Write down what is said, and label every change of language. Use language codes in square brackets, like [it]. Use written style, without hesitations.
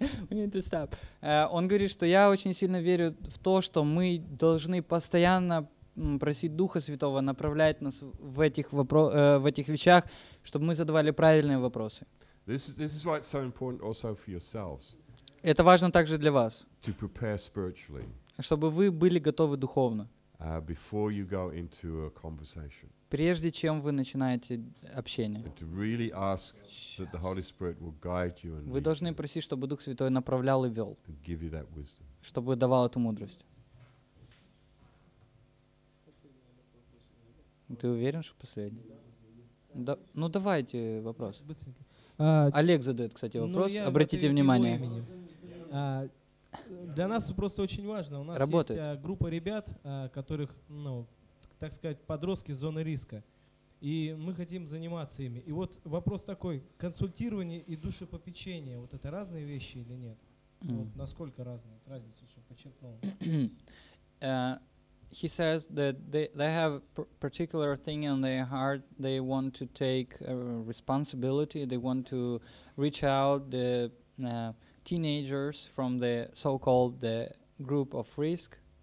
[en] We need to stop. [ru] Он говорит, что я очень сильно верю в то, что мы должны постоянно просить Духа Святого направлять нас в этих в этих вещах, чтобы мы задавали правильные вопросы. [en] This is why it's so important also for yourselves. [ru] Это важно также для вас. [en] To prepare spiritually. [ru] Чтобы вы были готовы духовно. [en] Before you go into a conversation. [ru] Прежде чем вы начинаете общение. [en] To really ask that the Holy Spirit will guide you and [ru] вы должны просить, чтобы Дух Святой направлял и вел. [en] And give you that wisdom. [ru] Чтобы давал эту мудрость. Ты уверен, что последний? Да. Ну, давайте вопрос. Быстренько. Олег задает, кстати, вопрос. Ну, обратите внимание. Для нас просто очень важно. У нас работает. Есть группа ребят, которых, ну, так сказать, подростки из зоны риска. И мы хотим заниматься ими. И вот вопрос такой. Консультирование и душепопечение. Вот это разные вещи или нет? Mm. Вот насколько разные? Разница еще подчеркнула. [en] He says that they have particular thing in their heart. They want to take responsibility. They want to reach out the teenagers from the so-called the group of risk.